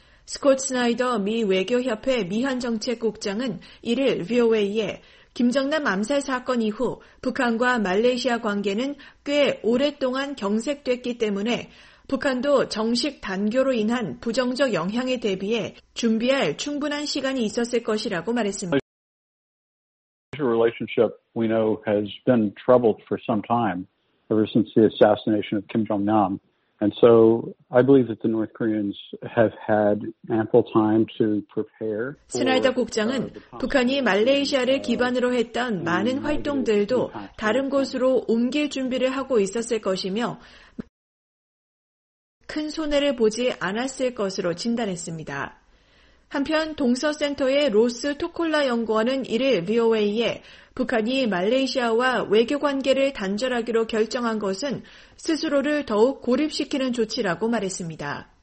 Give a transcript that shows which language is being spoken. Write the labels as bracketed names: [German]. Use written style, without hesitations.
[Korean] 스콧 스나이더 미 외교협회 미한정책국장은 이를 VOA에 김정남 암살 사건 이후 북한과 말레이시아 관계는 꽤 오랫동안 경색됐기 때문에 북한도 정식 단교로 인한 부정적 영향에 대비해 준비할 충분한 시간이 있었을 것이라고 말했습니다. [English] Relationship we know has been troubled for some time, ever since the assassination of Kim Jong-nam. And so I believe that the North Koreans have had ample time to prepare. [Korean] 스나이더 국장은 북한이 말레이시아를 기반으로 했던 많은 활동들도 다른 곳으로 옮길 준비를 하고 있었을 것이며 큰 손해를 보지 않았을 것으로 진단했습니다. 한편 동서센터의 로스 토콜라 연구원은 이를 VOA에 북한이 말레이시아와 외교관계를 단절하기로 결정한 것은 스스로를 더욱 고립시키는 조치라고 말했습니다.